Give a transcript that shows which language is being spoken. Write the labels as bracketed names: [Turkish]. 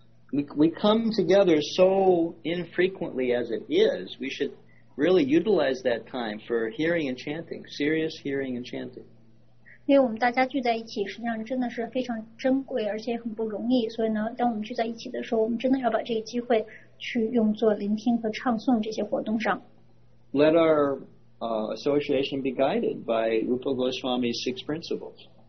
[English] We come together so infrequently as it is, we should really utilize that time for hearing and chanting, serious hearing and chanting. [Chinese] 因为我们大家聚在一起实际上真的是非常珍贵而且很不容易，所以呢当我们聚在一起的时候，我们真的要把这个机会去用作聆听和唱诵这些活动上。 [English] Let our association be guided by Rupa Goswami's six principles.